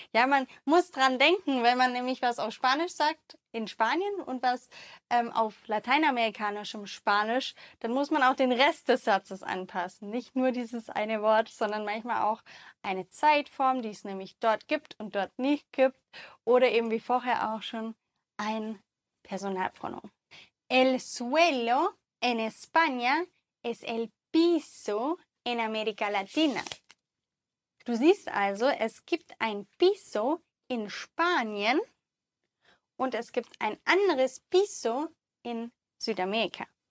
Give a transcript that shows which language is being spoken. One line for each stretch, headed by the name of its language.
German: Ja, man muss dran denken, wenn man nämlich was auf Spanisch sagt in Spanien und was auf lateinamerikanischem Spanisch, dann muss man auch den Rest des Satzes anpassen. Nicht nur dieses eine Wort, sondern manchmal auch eine Zeitform, die es nämlich dort gibt und dort nicht gibt. Oder eben wie vorher auch schon ein Personalpronomen.
Spanish: El suelo en España es el piso en América Latina.
German: Du siehst also, es gibt ein Piso in Spanien und es gibt ein anderes Piso in Südamerika.